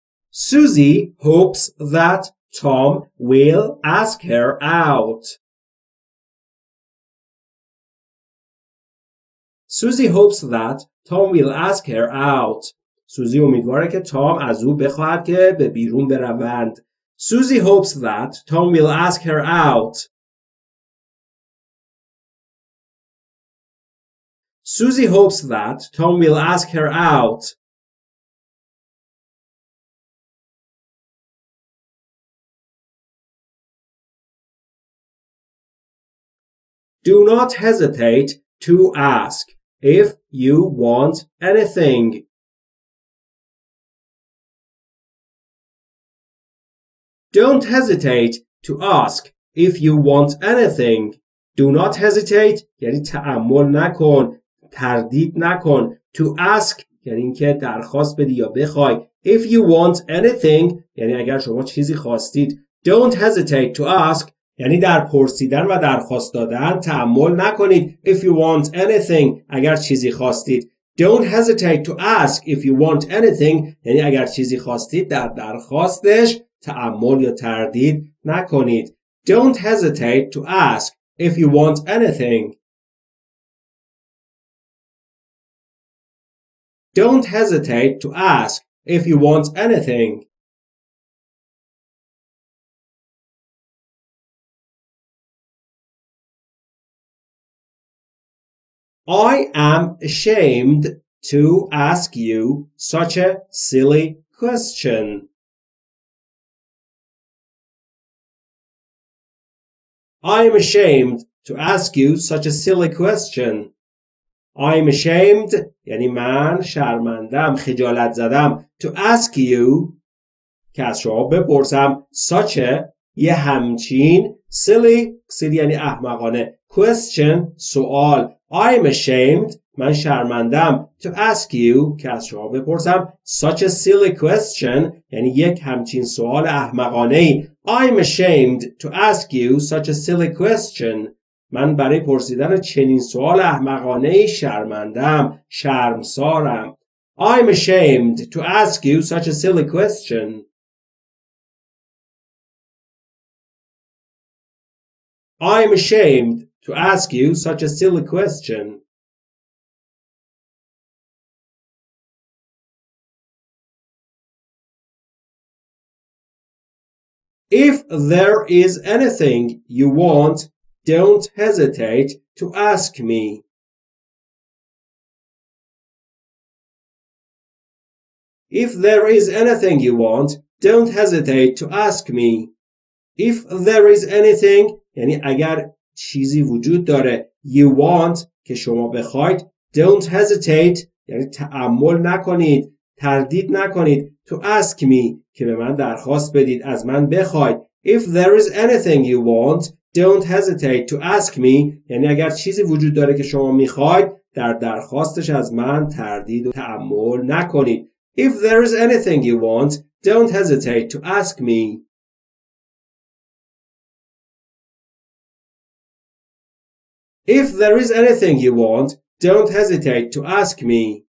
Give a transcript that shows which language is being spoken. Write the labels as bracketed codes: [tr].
[en] Susie hopes that Tom will ask her out. Susie hopes that Tom will ask her out. [fa] سوزی امیدواره که تام از او بخواهد که به بیرون بروند. [en] Susie hopes that Tom will ask her out. Susie hopes that Tom will ask her out. Do not hesitate to ask if you want anything. Don't hesitate to ask if you want anything. Do not hesitate [fa] یعنی تأمل نکن، تردید نکن. [en] To ask [fa] یعنی اینکه درخواست بدی یا بخوای. [en] If you want anything [fa] یعنی اگر شما چیزی خواستید. [en] Don't hesitate to ask [fa] یعنی در پرسیدن و درخواست دادن تأمل نکنید. [en] If you want anything [fa] اگر چیزی خواستید. [en] Don't hesitate to ask if you want anything [fa] یعنی اگر چیزی خواستید در درخواستش تأمل یا تردید نکنید. [en] Don't hesitate to ask if you want anything. Don't hesitate to ask if you want anything. I am ashamed to ask you such a silly question. I am ashamed to ask you such a silly question. I am ashamed [fa] یعنی من شرمندم، خجالت زدم. [en] To ask you [fa] که از شما بپرسم [en] such a [fa] یه همچین [en] silly silly [fa] یعنی احمقانه [en] question [fa] سوال. [en] I am ashamed [fa] من شرمندم. [en] To ask you [fa] که از شما بپرسم [en] such a silly question [fa] یعنی یک همچین سوال احمقانه. [en] I'm ashamed to ask you such a silly question. [fa] من برای پرسیدن چنین سوال احمقانه شرمندم، شرمسارم. [en] I'm ashamed to ask you such a silly question. I'm ashamed to ask you such a silly question. If there is anything you want, don't hesitate to ask me. If there is anything you want, don't hesitate to ask me. If there is anything, [fa] یعنی اگر چیزی وجود داره, [en] you want, [fa] که شما بخواید, [en] don't hesitate, [fa] یعنی تأمل نکنید, تردید نکنید, [en] to ask me, [fa] که به من درخواست بدید, از من بخواید. [en] If there is anything you want, don't hesitate to ask me, [fa] یعنی اگر چیزی وجود داره که شما میخواید, در درخواستش از من تردید و تأمل نکنید. [en] If there is anything you want, don't hesitate to ask me. If there is anything you want, don't hesitate to ask me.